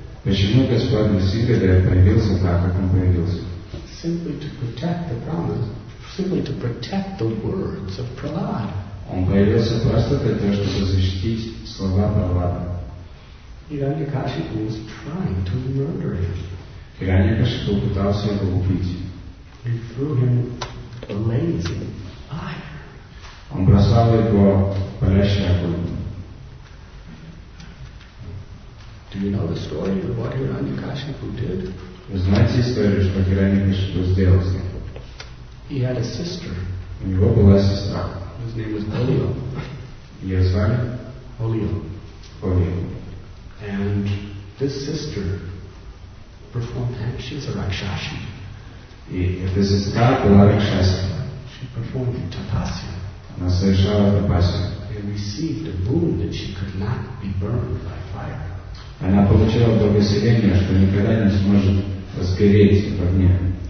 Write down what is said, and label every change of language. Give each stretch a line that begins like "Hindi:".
Russian: Почему Господь Нарасимхадев появился так, как он появился?
English: Simply to protect the promise. Simply to protect the words of Prahlad.
Russian: Он появился просто для того, чтобы защитить слова Прахлада.
English: Hiranyakashipu was trying to murder him.
Russian: Hiranyakashipu пытался его убить.
English: He threw him blazing fire.
Russian: Он бросал его палящий огонь.
English: Do you know the story of what Hiranyakashipu did?
Russian: Вы знаете историю, что Hiranyakashipu сделал с ним?
English: He had a sister.
Russian: У него была сестра.
English: His name was Olio.
Russian: Ее звали?
English: Olio.
Russian: Olio.
English: And this sister performed magic. She's a Rakshasi.
Russian: И эта сестра была Ракшаси.
English: She performed tapasya.
Russian: Она совершала тапасию.
English: And received a boon that she could not be burned by fire.
Russian: Она получила благословение, что никогда не сможет возгореть в огне.